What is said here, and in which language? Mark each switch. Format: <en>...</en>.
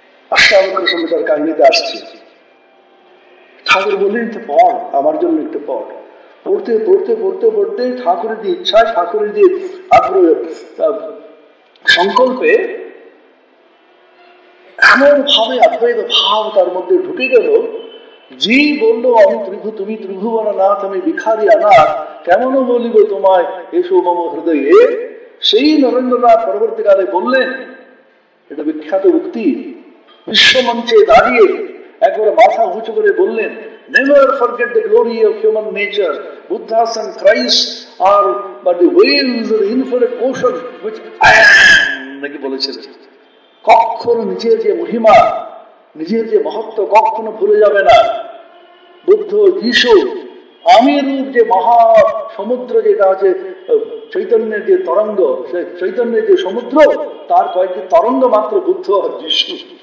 <bn>আশ্রামকের সঙ্গে তার কাহিনীতে আসছে, ঠাকুর বললেন একটু পড় আমার জন্য একটু পড়, পড়তে পড়তে পড়তে পড়তে ঠাকুরের যে ইচ্ছা ঠাকুরের যে আগ্রহ সংকল্পে এমন ভাবে অদ্বৈত ভাব তার মধ্যে ঢুকে গেল, যে বলল আমি ত্রিভু তুমি ত্রিভুবন নাথ আমি ভিখারি অনাথ কেমন বলিব তোমায় এসো মম হৃদয়ে। সেই নরেন্দ্রনাথ পরবর্তীকালে বললেন এটা বিখ্যাত উক্তি, বিশ্বমঞ্চে দাঁড়িয়ে একবার মাথা উঁচু করে বললেন,</bn> <en>Never forget the glory of human nature. Buddhas and Christ are but the whales of the infinite ocean which I am.</en> <bn>কখনো নিজের যে মহিমা নিজের যে মহত্ব কখনো ভুলে যাবে না। বুদ্ধ যিশু আমিরূপ যে মহা সমুদ্র যেটা আছে চৈতন্যের যে তরঙ্গ সে চৈতন্যের যে সমুদ্র তার কয়েকটি তরঙ্গ মাত্র বুদ্ধ আর যিশু।</bn>